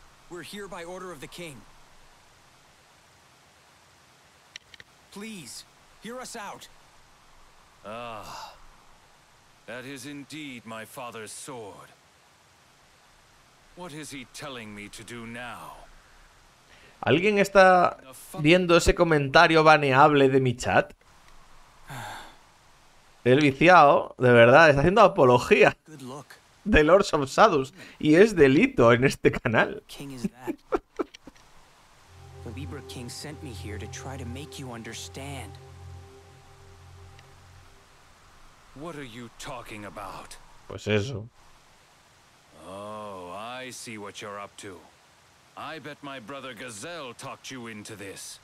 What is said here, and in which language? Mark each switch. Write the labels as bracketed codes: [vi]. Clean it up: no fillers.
[en] We're here by order of the king. Please, hear us out. That is indeed my father's sword. What is he telling me to do now? [es] ¿Alguien está viendo ese comentario baneable de mi chat? El viciado, de verdad, está haciendo apología de Lords of Shadows y es delito en este canal. [en] The Libra King sent me here to try to make you understand. What are you talking about? [es] Pues eso. [en] Oh, I see what you're up to. I bet my brother Gazelle talked you into this.